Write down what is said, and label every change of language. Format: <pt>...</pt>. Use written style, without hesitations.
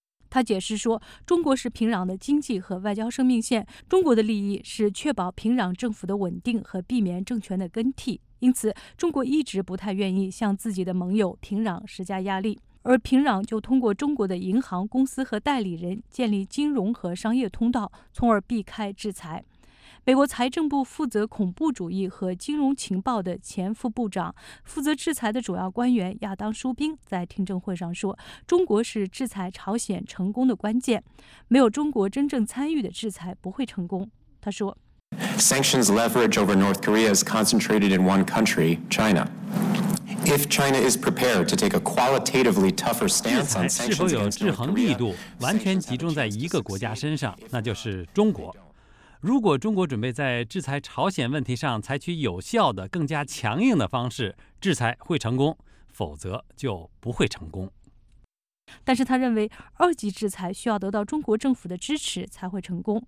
<zh>他解释说，中国是平壤的经济和外交生命线，中国的利益是确保平壤政府的稳定和避免政权的更替，因此中国一直不太愿意向自己的盟友平壤施加压力，而平壤就通过中国的银行公司和代理人建立金融和商业通道，从而避开制裁。美国财政部负责恐怖主义和金融情报的前副部长，负责制裁的主要官员亚当·舒宾在听证会上说，中国是制裁朝鲜成功的关键，没有中国真正参与的制裁不会成功。他说，</zh> <en>Sanctions leverage over North Korea is concentrated in one country, China. If China is prepared to take a qualitatively tougher stance on sanctions against North Korea,</en> <zh>是否有制衡力度，完全集中在一个国家身上，那就是中国。如果中国准备在制裁朝鲜问题上采取有效的、更加强硬的方式，制裁会成功，否则就不会成功。但是他认为，二级制裁需要得到中国政府的支持才会成功。</zh>